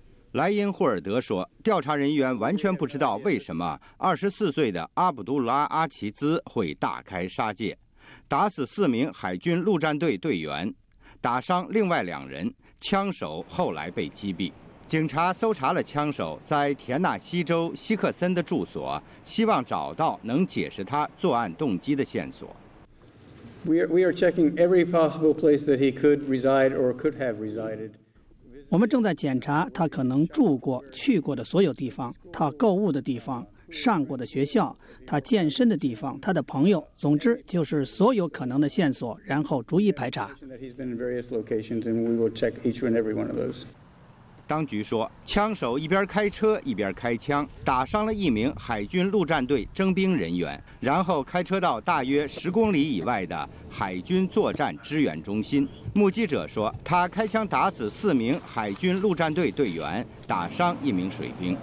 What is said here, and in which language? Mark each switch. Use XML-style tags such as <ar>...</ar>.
<zh>莱因霍尔德说，调查人员完全不知道为什么24岁的阿卜杜拉阿齐兹会大开杀戒，打死四名海军陆战队队员，打伤另外两人，枪手后来被击毙。警察搜查了枪手在田纳西州希克森的住所，希望找到能解释他作案动机的线索。</zh> <en>We are checking every possible place that he could reside or could have resided.</en> <zh>我们正在检查他可能住过、去过的所有地方，他购物的地方、上过的学校、他健身的地方、他的朋友，总之就是所有可能的线索，然后逐一排查。</zh> <en>He's been in various locations, and we will check each and every one of those.</en> <zh>当局说，枪手一边开车一边开枪，打伤了一名海军陆战队征兵人员，然后开车到大约10公里以外的海军作战支援中心。目击者说，他开枪打死四名海军陆战队队员，打伤一名水兵。</zh>